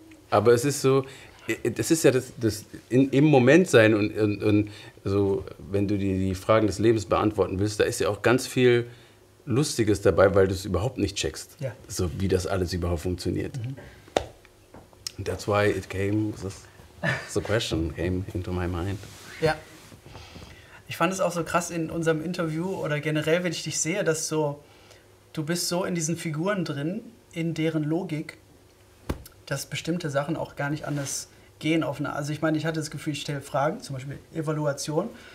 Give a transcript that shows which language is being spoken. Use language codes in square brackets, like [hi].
[de] Aber es ist so, das ist ja das im Moment sein und so, wenn du dir die Fragen des Lebens beantworten willst, da ist ja auch ganz viel Lustiges dabei, weil du es überhaupt nicht checkst, so wie das alles überhaupt funktioniert. Mhm. [en] That's why it came, the question came into my mind. [de] Ja. Ich fand es auch so krass in unserem Interview oder generell, wenn ich dich sehe, dass so, du bist so in diesen Figuren drin, in deren Logik, dass bestimmte Sachen auch gar nicht anders gehen. Also ich meine, ich hatte das Gefühl, ich stelle Fragen, zum Beispiel Evaluation.